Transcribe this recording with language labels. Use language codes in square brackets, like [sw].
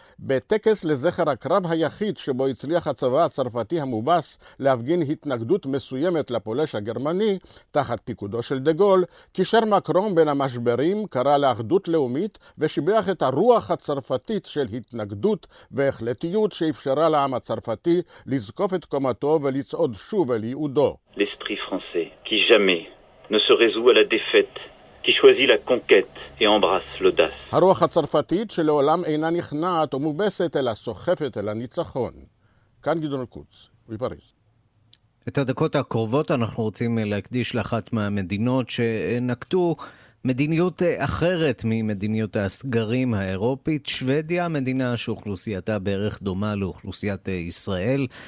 [he] בטקס לזכר הקרב היחיד שבו הצליח הצבא הצרפתי המובס להפגין התנגדות מסוימת לפולש הגרמני, תחת פיקודו של דה גול, קישר מקרון בין המשברים, קרא לאחדות לאומית ושיבח את הרוח הצרפתית של התנגדות והחלטיות שאפשרה לעם הצרפתי לזקוף את קומתו ולצרפתו. [fr] L'esprit français qui jamais ne se résout à la défaite, qui choisit la conquête et embrasse l'audace. [he] הרוח הצרפתית שלעולם אינה נכנעת או מובסת אלא סוחפת אל הניצחון. כאן גדעון קוץ, מפריז. את הדקות הקרובות אנחנו רוצים להקדיש לאחת מהמדינות שנקטו מדיניות אחרת ממדיניות הסגרים האירופית, שוודיה, מדינה שאוכלוסייתה בערך דומה לאוכלוסיית ישראל,